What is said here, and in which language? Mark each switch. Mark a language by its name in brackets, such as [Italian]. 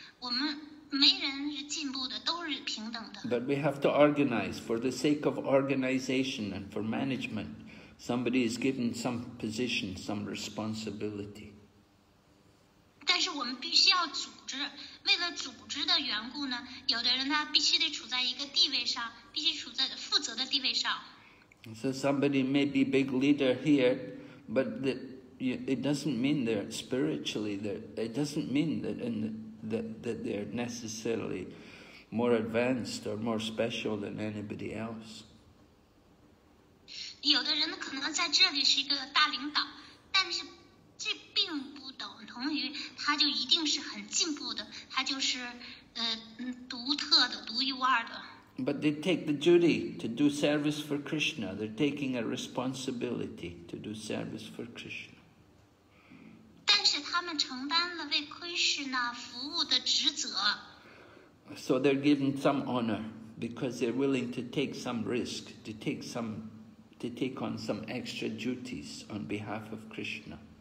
[Chinese] 我们没人是进步的，都是平等的。 [English] But we have to organize for the sake of organization and for management. Somebody is given some position, some responsibility. [Chinese] 但是我们必须要组织，为了组织的缘故呢，有的人他必须得处在一个地位上，必须处在负责的地位上。 [English] So somebody may be big leader here, but the, it doesn't mean they're spiritually, they're, it doesn't mean that, in the, that, that they're necessarily more advanced or more special than anybody else. [Chinese] 有的人可能在这里是一个大领导，但是这并不等同于他就一定是很进步的，他就是独特的，独一无二的。 [English] But they take the duty to do service for Krishna. They're taking a responsibility to do service for Krishna. [Chinese] 但是他们承担了为 Krishna 服务的职责。 [English] So they're given some honor because they're willing to take some risk, to take some, to take on some extra duties on behalf of Krishna.